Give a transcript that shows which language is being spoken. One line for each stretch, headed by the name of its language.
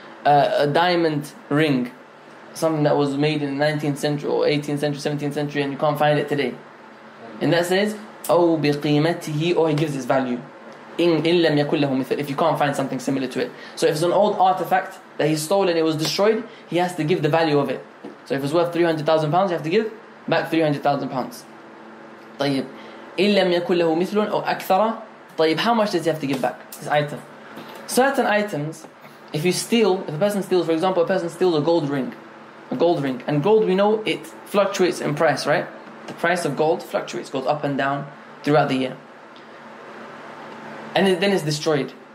English: A diamond ring, something that was made in the 19th century or 18th century, 17th century, and you can't find it today. And that says,
Arabic: أو بقيمته,
English: or he gives his value.
Arabic: إن لم يكن له مثل,
English: if you can't find something similar to it. So if it's an old artifact that he stole and it was destroyed, he has to give the value of it. So if it's worth £300,000, you have to give back £300,000.
Arabic: طيب, إن لم يكن له مثل أو أكثر.
English: طيب, how much does he have to give back? This item. Certain items, if a person steals, for example, a person steals a gold ring. And gold, we know, it fluctuates in price, right? The price of gold fluctuates, goes up and down throughout the year. And then it's destroyed.